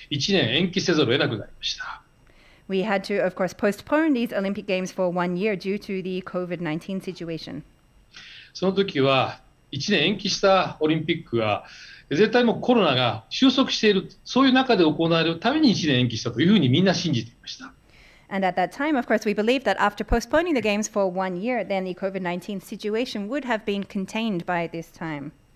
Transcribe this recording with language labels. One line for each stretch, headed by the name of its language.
Japanese: 我々はこのコロナの中でオリンピック1年延期せざるを得なくなりました。
English: We had to, of course, postpone these Olympic Games for 1 year due to the COVID-19 situation.
Japanese: その時は1年延期したオリンピックは絶対もコロナが収束している、そういう中で行われるために1年延期したというふうにみんな信じていました。
English: And at that time, of course, we believed that after postponing the games for 1 year, then the COVID-19 situation would have been contained by this time.